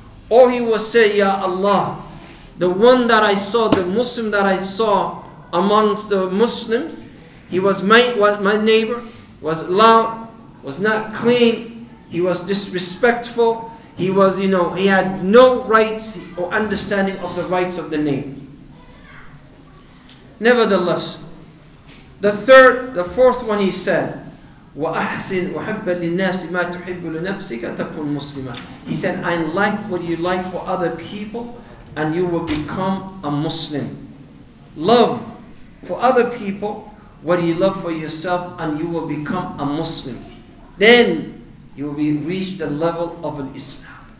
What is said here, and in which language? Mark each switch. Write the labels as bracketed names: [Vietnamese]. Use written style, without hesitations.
[English] Or he will say, Ya Allah, the one that I saw, the Muslim that I saw amongst the Muslims, he was my neighbor, was loud, was not clean, he was disrespectful, he was, you know, he had no rights or understanding of the rights of the neighbor. Nevertheless, the fourth one he said, [Arabic] وَأَحْسِنْ وَحَبَّ لِلنَّاسِ مَا تُحِبُّ لِنَفْسِكَ تَكُنْ مُسْلِمًا. [English] He said, I like what you like for other people and you will become a Muslim. Love for other people what you love for yourself and you will become a Muslim. Then you will reach the level of an Islam.